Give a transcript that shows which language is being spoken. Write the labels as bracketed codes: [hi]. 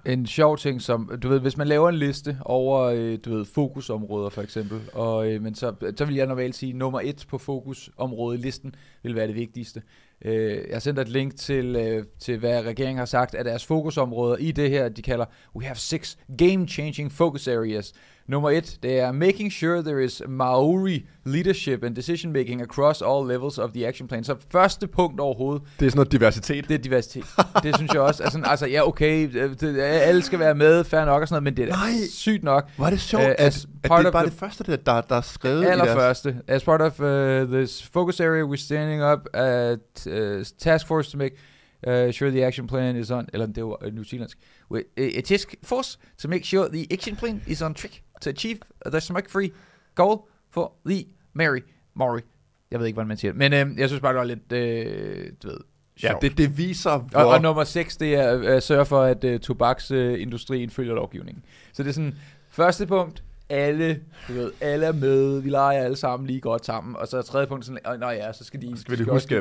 [da] En sjov ting, som, du ved, hvis man laver en liste over, du ved, fokusområder for eksempel, og, men så vil jeg normalt sige, nummer 1 på fokusområdelisten vil være det vigtigste. Jeg har sendt et link til, hvad regeringen har sagt, at deres fokusområder i det her, de kalder, [en] we have 6 game-changing focus areas. [da] Nummer 1, det er [en] making sure there is Maori leadership and decision-making across all levels of the action plan. [da] Så første punkt overhovedet. Det er sådan noget diversitet. Det er diversitet. Det synes jeg også. Altså ja, okay, alle skal være med, fair nok og sådan noget, men det er nej, sygt nok. Var det sjovt, at det er bare det første, der er skrevet i deres... Allerførste. [en] As part of this focus area, we're standing up at task force to make sure the action plan is on, [da] eller det var New Zealandsk, [en] a task force to make sure the action plan is on track to achieve the smoke-free goal for the Maori. [da] Jeg ved ikke, hvordan man siger det, men jeg synes bare, det var lidt, du ved, sjovt. Ja, det viser, hvor... Og nummer 6, det er at sørge for, at tobaksindustrien følger lovgivningen. Så det er sådan, første punkt, alle, du ved, alle er med, vi leger alle sammen lige godt sammen, og så er tredje punkt sådan, nå ja, så skal vi huske,